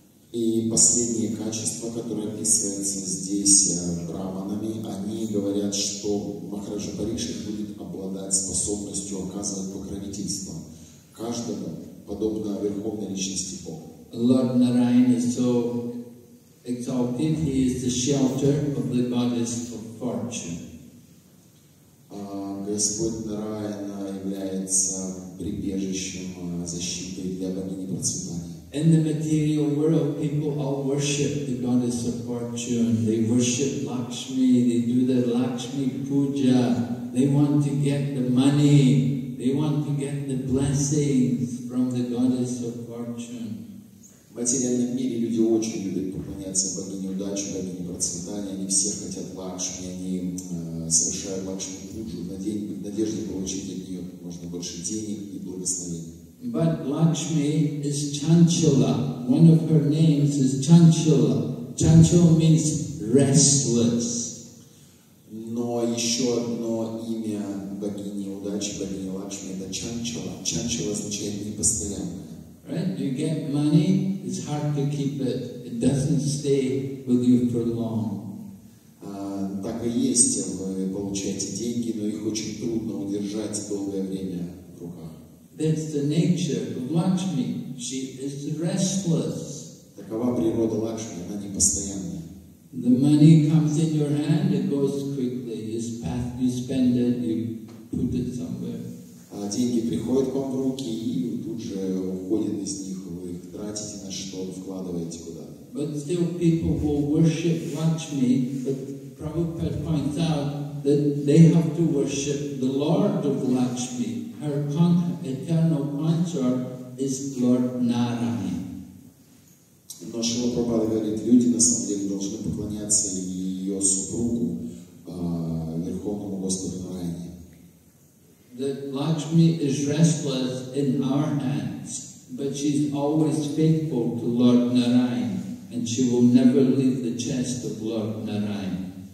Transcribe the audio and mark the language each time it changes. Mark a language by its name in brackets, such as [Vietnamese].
[Russian] И последние качества, которые описываются здесь браманами, они говорят, что Махараджа Парикшит будет обладать способностью оказывать покровительство каждому, подобно Верховной Личности Бога. [English] Lord Narayana is so exalted, he is the shelter of the goddess of fortune. [Russian] Господь Нараяна является прибежищем, защитой для богини процветания. [English] In the material world, people all worship the goddess of fortune. They worship Lakshmi. They do the Lakshmi puja. They want to get the money. They want to get the blessings from the goddess of fortune. [Russian] В материальном мире люди очень любят поклоняться богине удачи, богине процветания. Они все хотят Лакшми. Они совершают Лакшми пуджу в надежде получить от нее как можно больше денег и благословений. [English] But Lakshmi is Chanchala. One of her names is Chanchala. Chanchala means restless. [Russian] Но еще одно имя богини удачи, богини Лакшми, это Chanchala. Chanchala означает непостоянная. [English] Right? You get money, it's hard to keep it. It doesn't stay with you for long. [Russian] Так и есть. Вы получаете деньги, но их очень трудно удержать долгое время. [English] That's the nature of Lakshmi. She is restless. [Russian] Такова природа Лакшми, она непостоянная. [English] The money comes in your hand, it goes quickly. You spend it, you put it somewhere. [Russian] Деньги приходят к вам в руки и тут же уходят из них. Вы их тратите на что, вкладываете куда-то. [English] But still people will worship Lakshmi, but Prabhupada points out that they have to worship the Lord of Lakshmi. Her eternal consort is Lord Narayana. [Russian] Но Шрила Прабхупада говорит, люди на самом деле должны поклоняться ее супругу, Верховному Господу Нараяне. [English] That Lakshmi is restless in our hands, but she's always faithful to Lord Narayana, and she will never leave the chest of Lord Narayana.